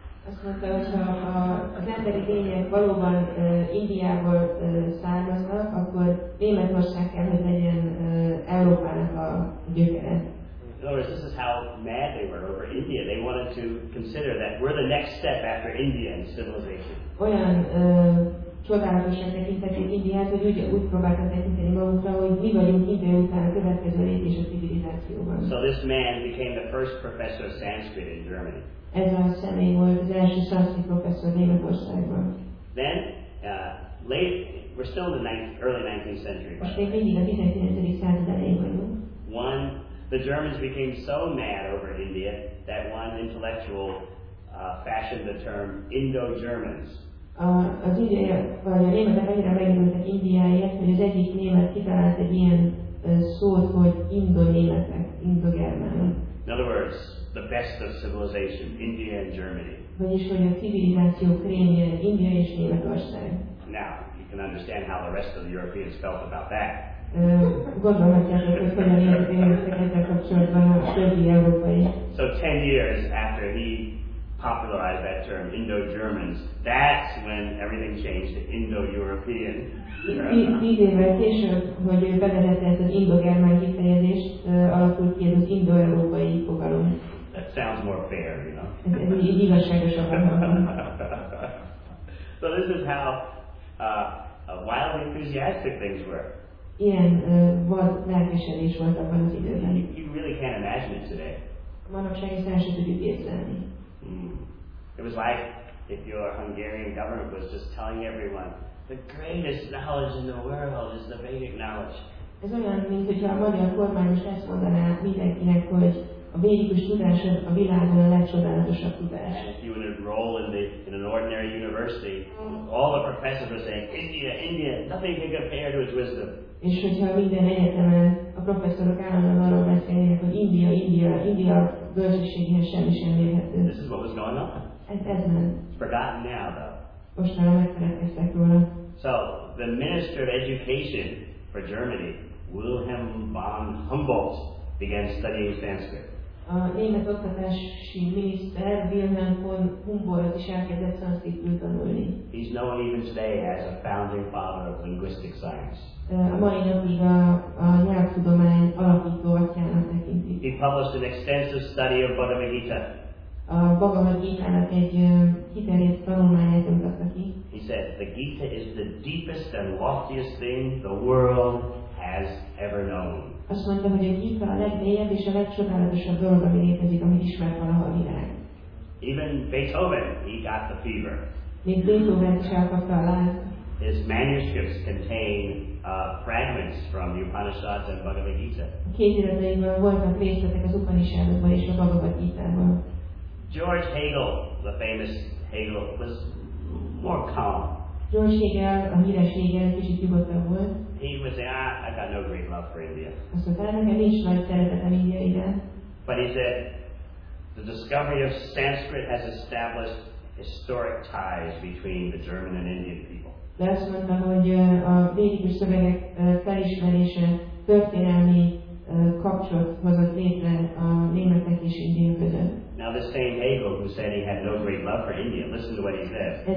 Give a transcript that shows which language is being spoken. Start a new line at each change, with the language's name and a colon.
Hungarian: Azt mondta, hogyha az emberi lények valóban Indiából származnak, akkor Németország kell, hogy legyen Európának a gyökere.
English: In other words, this is how mad they were over India. They wanted to consider that we're the next step after India in civilization.
Hungarian: Olyan csodálatosan tekintették Indiát, hogy úgy próbáltak tekinteni magukra, hogy mi vagyunk India után a következő lépés a civilizációban.
English: So this man became the first professor of Sanskrit in Germany.
Hungarian: Ez a személy volt az első szanszkrit professzor Németországban.
English: Then, late, we're still in the early 19th century.
Hungarian: Most még mindig a 19. század elején vagyunk.
English: One, the Germans became so mad over India that one intellectual fashioned the term Indo-Germans.
Hungarian: Az indiai, a németek annyira megjelentek Indiáért, hogy az egyik német kitalált egy ilyen szót, hogy Indo-németek, Indo-germánok.
English: In other words, the best of civilization, India and Germany.
Hungarian: Vagyis, hogy a civilizáció krémje, India és Németország.
English: Now, you can understand how the rest of the Europeans felt about that.
Hungarian: Gondolhatjátok, hogy hogyan érzik ezzel kapcsolatban a többi európai.
English: So 10 years after he popularized that term, Indo-Germans, that's when everything changed to Indo-European.
Hungarian: 10 évvel később, hogy ő bevezette ezt az indogermán kifejezést, alakult ki az indo-európai fogalom.
English: That sounds more fair, you know.
Hungarian: Ez igazságosabb.
English: So this is how wildly enthusiastic things were.
Hungarian: Ilyen volt lelkesedés volt abban az időben.
English: You really can't imagine it today.
Hungarian: Manapság ezt el sem tudjuk képzelni.
English: It was like if your Hungarian government was just telling everyone, the greatest knowledge in the world is the Vedic knowledge.
Hungarian: Ez olyan, mint hogyha a magyar kormány is ezt mondaná mindenkinek, hogy a védikus tudás a világon a legcsodálatosabb tudás.
English: And if you enroll in an ordinary university, all the professors are saying, India, India, nothing can compare to its wisdom.
Hungarian: És hogyha minden egyetemen a professzorok állandóan arról beszélnek, hogy India, India, India bölcsességhez semmi sem mérhető.
English: This is what was going on.
Hungarian: Ez ment.
English: It's forgotten now, though.
Hungarian: Most már megfelelkeztek róla.
English: So, the Minister of Education for Germany, Wilhelm von Humboldt, began studying Sanskrit.
Hungarian: A német oktatási miniszter Wilhelm von Humboldt is elkezdett szanszkritul tanulni.
English: He's known even today as a founding father of linguistic science.
Hungarian: A mai napig a nyelvtudomány alapító atyának tekintik.
English: He published an extensive study of Bhagavad Gita.
Hungarian: A Bhagavad Gita-nak egy kiterjedt tanulmányát mutatta ki.
English: He said, the Gita is the deepest and loftiest thing the world has ever known.
Hungarian: Azt mondta, hogy a Gita a legmélyebb és a legcsodálatosabb dolog, ami létezik, amit ismert valaha a világ.
English: Even Beethoven, he got the fever.
Hungarian: Még Beethoven is elkapta a lázt.
English: His manuscripts contain fragments from the Upanishads and Bhagavad Gita.
Hungarian: A kéziratban voltak részletek az Upanishadokban és a Bhagavad Gita-ban.
English: George Hegel, the famous Hegel, was more calm.
Hungarian: George Hegel, a híres Hegel, kicsit nyugodtabb volt.
English: He would say, I've got no great love for India.
Hungarian: Azt mondta, nekem nincs nagy szeretetem Indiában.
English: But he said, the discovery of Sanskrit has established historic ties between the German and Indian people.
Hungarian: De azt mondta, hogy a védikus szövegek felismerése történelmi kapcsolat hozott létre a németek és indiai között.
English: Now this same Hegel who said he had no great love for India, listen to what he said.